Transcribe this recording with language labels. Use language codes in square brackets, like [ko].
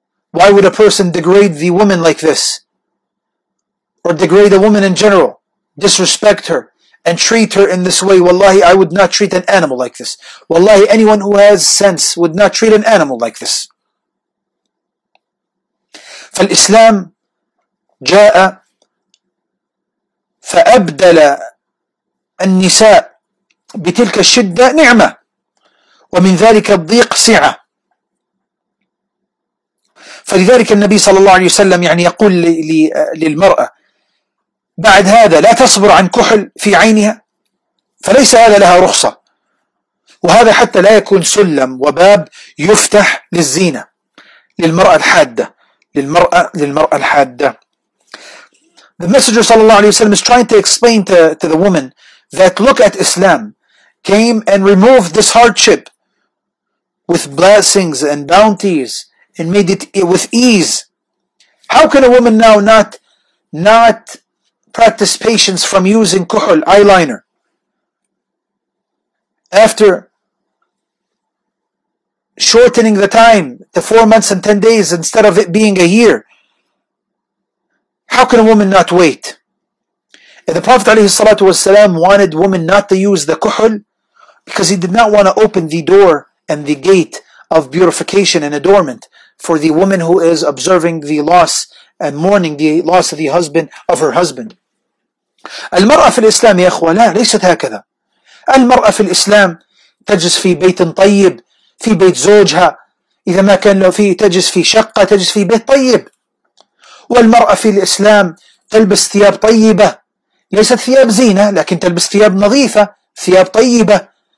[en] Why would a person degrade the woman like this? Or degrade a woman in general? Disrespect her and treat her in this way? Wallahi, I would not treat an animal like this. Wallahi, anyone who has sense would not treat an animal like this. [ar] فالإسلام جاء فأبدل النساء بتلك الشدة نعمة ومن ذلك الضيق سعة. فلذلك النبي صلى الله عليه وسلم يعني يقول للمرأة بعد هذا لا تصبر عن كحل في عينها، فليس هذا لها رخصة، وهذا حتى لا يكون سلم وباب يفتح للزينة للمرأة الحادة، للمرأة الحادة. [en] The messenger [ar] صلى الله عليه وسلم [en] is trying to explain to the woman that look at Islam came and removed this hardship with blessings and bounties and made it with ease. How can a woman now not practice patience from using kuhl, eyeliner, after shortening the time to 4 months and 10 days instead of it being a year? How can a woman not wait? And the Prophet ﷺ wanted women not to use the kuhl because he did not want to open the door and the gate of purification and adornment for the woman who is observing the loss and mourning the loss of the husband of her husband. [ar] المرأة في الإسلام يا أخوة لا ليست هكذا. المرأة في الإسلام تجلس في بيت طيب، في بيت زوجها، إذا ما كان له في تجلس في شقة، تجلس في بيت طيب. والمرأة في الإسلام تلبس ثياب طيبة، ليست ثياب زينة لكن تلبس ثياب نظيفة، ثياب طيبة.